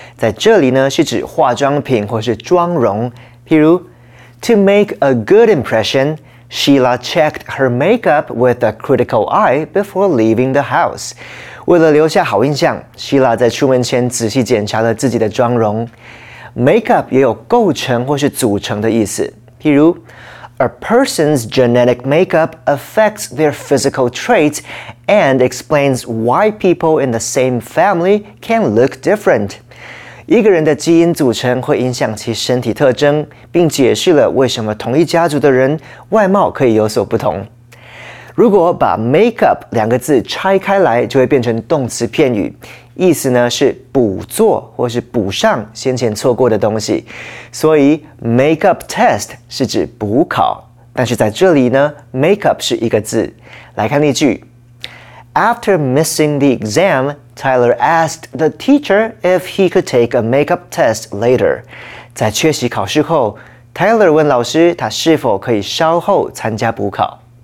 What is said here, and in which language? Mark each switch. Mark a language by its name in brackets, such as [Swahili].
[Chinese] 在这里呢，是指化妆品或是妆容。譬如 [English] ,to make a good impression, Sheila checked her makeup with a critical eye before leaving the house. [Chinese] 为了留下好印象， Sheila 在出门前仔细检查了自己的妆容。 makeup 也有构成或是组成的意思。譬如 [English] A person's genetic makeup affects their physical traits and explains why people in the same family can look different. [Chinese] 一个人的基因组成会影响其身体特征，并解释了为什么同一家族的人外貌可以有所不同。如果把 makeup 两个字拆开来，就会变成动词片语，意思呢是补做或是补上先前错过的东西。所以 makeup test 是指补考，但是在这里呢 makeup 是一个字。来看例句 [English] ，After missing the exam, Tyler asked the teacher if he could take a makeup test later。 [Chinese] 在缺席考试后 ，Tyler 问老师他是否可以稍后参加补考。